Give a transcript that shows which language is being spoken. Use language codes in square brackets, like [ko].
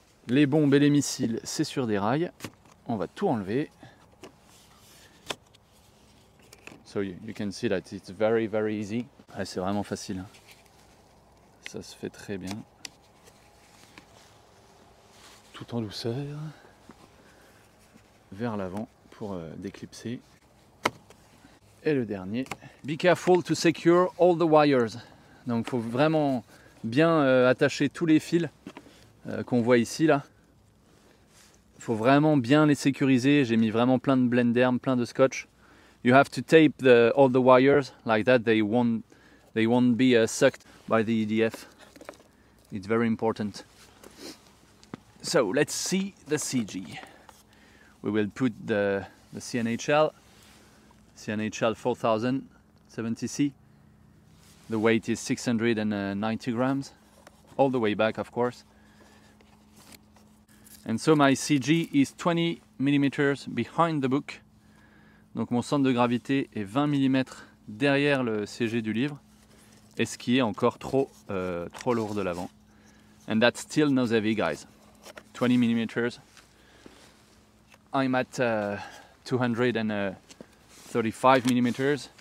[fr] Les bombes et les missiles, c'est sur des rails. On va tout enlever. [en] So you can see that it's very very easy. [fr] Ouais, c'est vraiment facile. Ça se fait très bien. Tout en douceur. Vers l'avant pour déclipser. Et le dernier. [en] Be careful to secure all the wires. [fr] Donc il faut vraiment bien attacher tous les fils qu'on voit ici là. Faut vraiment bien les sécuriser. J'ai mis vraiment plein de blender, plein de scotch. [en] You have to tape all the wires like that. They won't be sucked by the EDF. It's very important. So let's see the CG. We will put the CNHL 4070C. The weight is 690 grams, all the way back, of course. And so my CG is 20 millimeters behind the book. [fr] Donc mon centre de gravité est 20 mm derrière le CG du livre. Et ce qui est encore trop lourd de l'avant. [en] And that's still not heavy, guys. 20 millimeters. I'm at 235 millimeters.